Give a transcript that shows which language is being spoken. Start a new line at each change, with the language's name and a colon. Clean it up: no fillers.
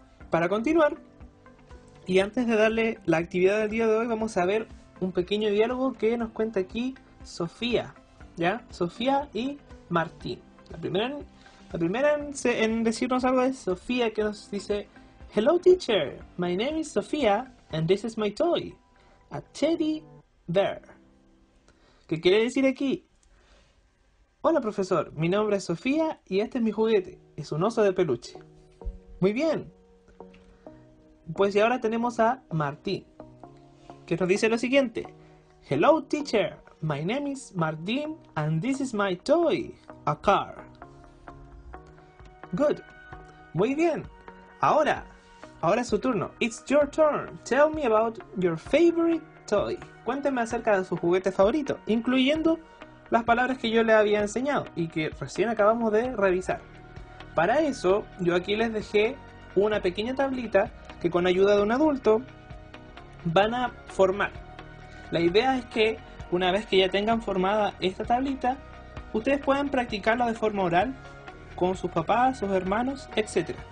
Spanish: Para continuar, y antes de darle la actividad del día de hoy, vamos a ver un pequeño diálogo que nos cuenta aquí Sofía. ¿Ya? Sofía y Martín. La primera en decirnos algo es Sofía, que nos dice:
English: Hello, teacher. My name is Sofía, and this is my toy. A teddy bear.
Spanish: ¿Qué quiere decir aquí? Hola profesor, mi nombre es Sofía y este es mi juguete. Es un oso de peluche. Muy bien. Pues y ahora tenemos a Martín, que nos dice lo siguiente.
English: Hello teacher, my name is Martín and this is my toy, a car. Good.
Spanish: Muy bien. Ahora es su turno.
English: It's your turn. Tell me about your favorite toy.
Spanish: Cuénteme acerca de su juguete favorito, incluyendo las palabras que yo le había enseñado y que recién acabamos de revisar. Para eso, yo aquí les dejé una pequeña tablita que con ayuda de un adulto van a formar. La idea es que una vez que ya tengan formada esta tablita, ustedes puedan practicarla de forma oral con sus papás, sus hermanos, etc.